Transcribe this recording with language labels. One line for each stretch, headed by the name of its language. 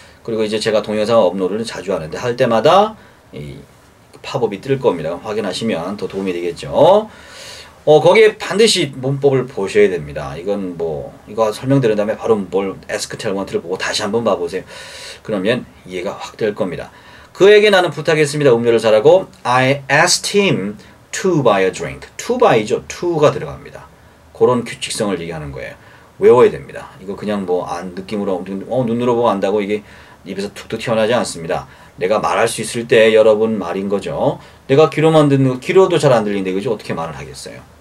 Korean: 그리고 이제 제가 동영상 업로드를 자주 하는데 할 때마다 이 팝업이 뜰 겁니다. 확인하시면 더 도움이 되겠죠. 거기에 반드시 문법을 보셔야 됩니다. 이건 뭐 이거 설명드린 다음에 바로 문법 Ask Tell Want를 보고 다시 한번 봐보세요. 그러면 이해가 확 될 겁니다. 그에게 나는 부탁했습니다. 음료를 사라고.
English: I asked him to buy a drink.
Korean: To buy죠. To가 들어갑니다. 그런 규칙성을 얘기하는 거예요. 외워야 됩니다. 이거 그냥 뭐 안 느낌으로 눈으로 보고 안다고 이게 입에서 툭툭 튀어나오지 않습니다. 내가 말할 수 있을 때 여러분 말인 거죠. 내가 귀로만 듣는 거, 귀로도 잘 안 들리는데 그죠? 어떻게 말을 하겠어요?